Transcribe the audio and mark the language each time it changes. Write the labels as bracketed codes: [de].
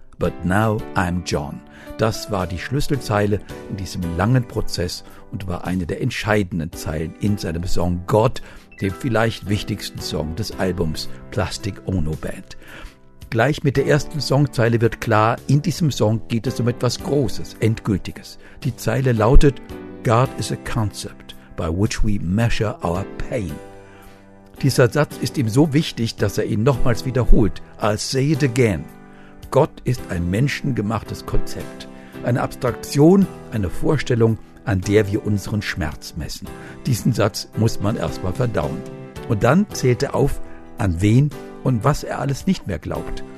[en] » But now I'm John«, [de] das war die Schlüsselzeile in diesem langen Prozess und war eine der entscheidenden Zeilen in seinem Song »God«, dem vielleicht wichtigsten Song des Albums »Plastic Ono Band«. Gleich mit der ersten Songzeile wird klar, in diesem Song geht es um etwas Großes, Endgültiges. Die Zeile lautet » [en] God is a concept by which we measure our pain«. [de] Dieser Satz ist ihm so wichtig, dass er ihn nochmals wiederholt. [en] I'll say it again. [de] Gott ist ein menschengemachtes Konzept. Eine Abstraktion, eine Vorstellung, an der wir unseren Schmerz messen. Diesen Satz muss man erstmal verdauen. Und dann zählt er auf, an wen und was er alles nicht mehr glaubt.